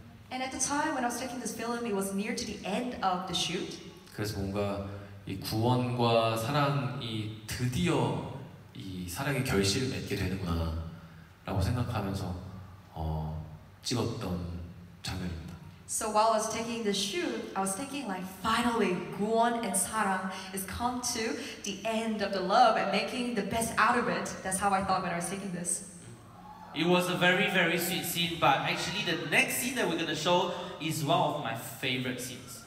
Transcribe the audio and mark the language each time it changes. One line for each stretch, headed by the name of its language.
English: And at the time when I was taking this film, it was near to the end of the shoot.
Korean: 그래서 뭔가 이 구원과 사랑이 드디어 이 사랑의 결실을 맺게 되는구나라고 생각하면서 찍었던 장면입니다.
English: So while I was taking the shoot, I was thinking like finally, 구원 and 사랑 is come to the end of the love and making the best out of it. That's how I thought when I was taking this. It was a very very sweet scene, but actually the next scene that we're gonna show is one of my favorite scenes.